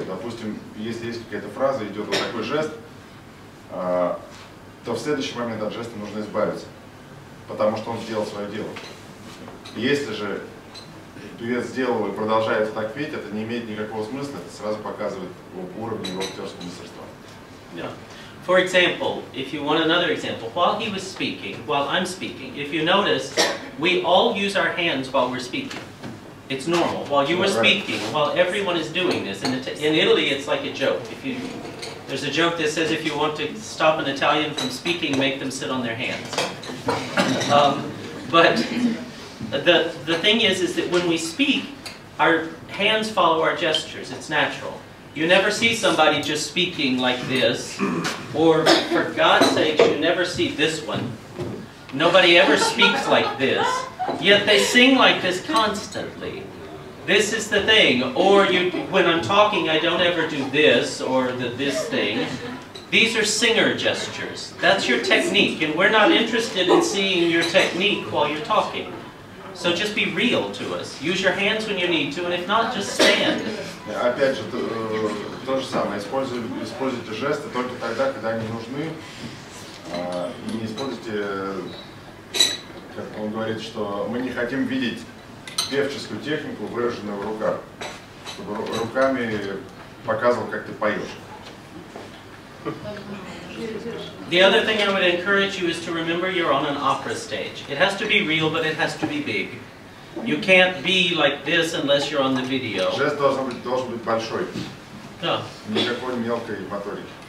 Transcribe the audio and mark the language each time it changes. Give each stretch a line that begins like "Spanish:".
Russian: Допустим, если есть какая-то фраза, идет вот такой жест, то в следующий момент от жеста нужно избавиться, потому что он сделал свое дело. Если же певец сделал и продолжает так петь, это не имеет никакого смысла, это сразу показывает уровень его актерского мастерства.
English: Yeah. For example, if you want another example, while he was speaking, while I'm speaking, if you notice, we all use our hands while we're speaking. It's normal. While you were speaking, while everyone is doing this, in Italy it's like a joke. There's a joke that says if you want to stop an Italian from speaking, make them sit on their hands. But the thing is that when we speak, our hands follow our gestures. It's natural. You never see somebody just speaking like this, or for God's sake, you never see this one. Nobody ever speaks like this, yet they sing like this constantly. This is the thing. Or when I'm talking, I don't ever do this or this thing. These are singer gestures. That's your technique, and we're not interested in seeing your technique while you're talking. So just be real to us. Use your hands when you need to, and if not, just stand.
Russian: Опять же, то же самое. Используйте жесты только тогда, когда они нужны. Не используйте, как он говорит, что мы не хотим видеть певческую технику, выраженную в руках. Чтобы руками показывал, как ты поешь.
English: The other thing I would encourage you is to remember you're on an opera stage. It has to be real, but it has to be big. You can't be like this unless you're on the video.
Russian: Жест должен быть большой.
English: No.
Russian: Никакой мелкой моторики.